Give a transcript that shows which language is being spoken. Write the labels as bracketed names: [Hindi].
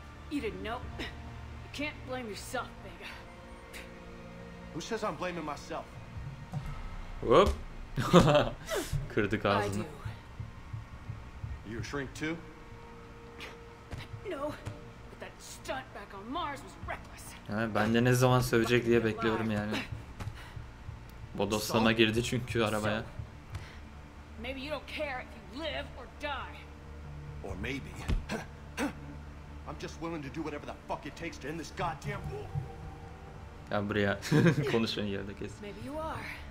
[English] You didn't know? You can't blame yourself, Vega. Who says I'm blaming myself? [Turkish] Whoop! Kırdık ağzını. [English] You a shrink too? No, but that stunt back on Mars was reckless. [Turkish] Ha, ben de ne zaman sövecek diye bekliyorum yani. Bodoslama girdi çünkü arabaya. [English] Maybe you don't care if you live or die. Or maybe. I'm just willing to do whatever the fuck it takes to end this goddamn war. [Turkish] Ya buraya konuşmayın yerde kes. [English] Maybe you are.